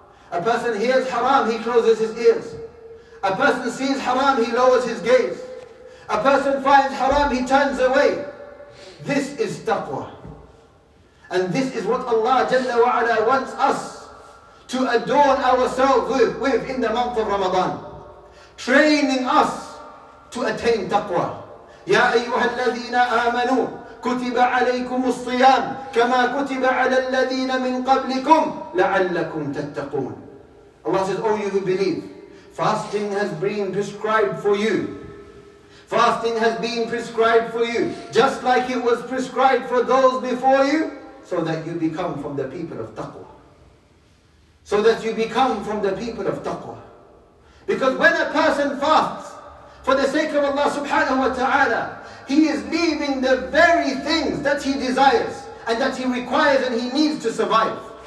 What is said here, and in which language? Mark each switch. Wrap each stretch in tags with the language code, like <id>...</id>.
<en>A person hears haram, he closes his ears. A person sees haram, he lowers his gaze. A person finds haram, he turns away. This is taqwa. And this is what Allah Jalla wa Ala wants us to adorn ourselves with in the month of Ramadan. Training us to attain taqwa.</en> <ar>يا أيها الذين آمنوا كتب عليكم الصيام كما كتب على الذين من قبلكم لعلكم تتقون.</ar> <en>Allah says, "Oh, you who believe, fasting has been prescribed for you. Fasting has been prescribed for you, just like it was prescribed for those before you, so that you become from the people of taqwa. So that you become from the people of taqwa." Because when a person fasts for the sake of Allah subhanahu wa ta'ala, he is leaving the very things that he desires and that he requires and he needs to survive.</en>